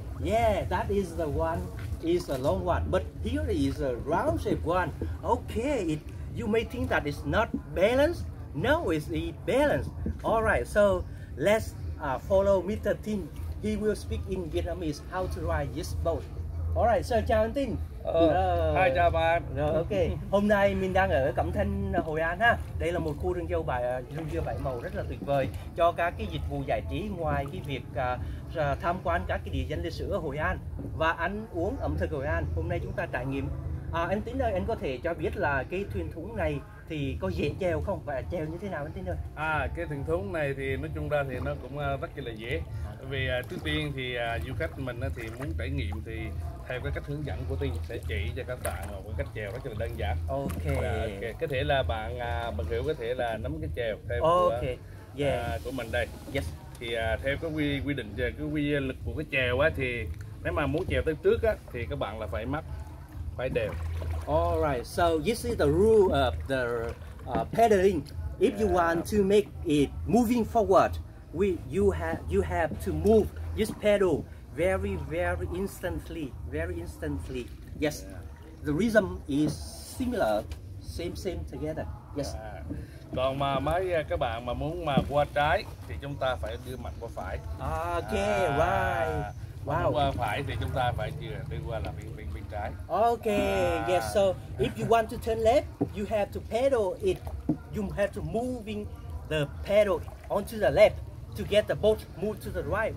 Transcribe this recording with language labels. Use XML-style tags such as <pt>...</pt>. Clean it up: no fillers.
<en>Yeah, that is the one, is a long one. But here is a round shape one. Okay, you may think that it's not balanced. No, it's balanced. All right, so let's follow Mr. Tin. He will speak in Vietnamese how to ride this boat. All right, so</en> <vi>chào anh</vi> <en>Tin.</en> <vi>Hi, chào bạn. Ok, hôm nay mình đang ở Cẩm Thanh, Hội An ha. Đây là một khu rừng dâu bảy màu rất là tuyệt vời cho các cái dịch vụ giải trí, ngoài cái việc tham quan các cái địa danh lịch sử ở Hội An và ăn uống ẩm thực Hội An. Hôm nay chúng ta trải nghiệm. Anh Tín ơi, anh có thể cho biết là cái thuyền thúng này thì có dễ chèo không và chèo như thế nào anh Tín ơi? Cái thuyền thúng này thì nói chung ra thì nó cũng rất là dễ. Vì trước tiên thì du khách mình thì muốn trải nghiệm thì theo cái cách hướng dẫn của Tiên sẽ chỉ cho các bạn một cái cách chèo rất là đơn giản.</vi> <en>Okay.</en> <vi>Có thể là bạn hiểu, có thể là nắm cái chèo theo của mình đây.</vi> <en>Yes.</en> <vi>Thì theo cái quy định về cái quy lực của cái chèo á, thì nếu mà muốn chèo tới trước á thì các bạn là phải mắt phải đều.</vi> <en>Alright, so this is the rule of the paddling. If you want to make it moving forward, you have to move this paddle very instantly. Yes. Yeah. The rhythm is similar, same together. Yes.</en> <vi>Còn mà mấy các bạn mà muốn mà qua trái thì chúng ta phải đưa mặt qua phải.</vi> <en>Okay, right. Wow.</en> <vi>Qua phải thì chúng ta phải đưa qua là bên trái.</vi> <en>Okay, yes. So if you want to turn left, you have to pedal it. You have to moving the pedal onto the left to get the boat move to the right.</en>